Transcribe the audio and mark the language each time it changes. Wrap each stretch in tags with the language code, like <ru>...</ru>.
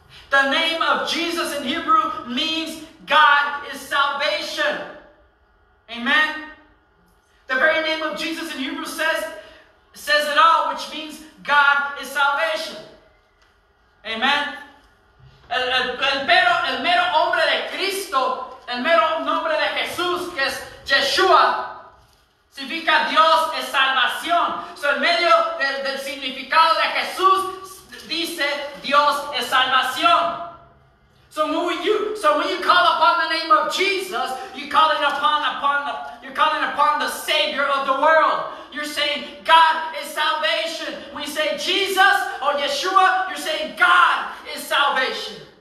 <en>The name of Jesus in Hebrew means God is salvation. Amen. The very name of Jesus in Hebrew says it all, which means God is salvation. Amen.</en> <es>El mero hombre de Cristo, el mero nombre de Jesús, que es Yeshua, significa Dios es salvación. So en medio del significado de Jesús, dice Dios es salvación.</es> <en>So when you call upon the name of Jesus, you're calling upon the Savior of the world. You're saying God is salvation. When you say Jesus or Yeshua, you're saying God is salvation.</en>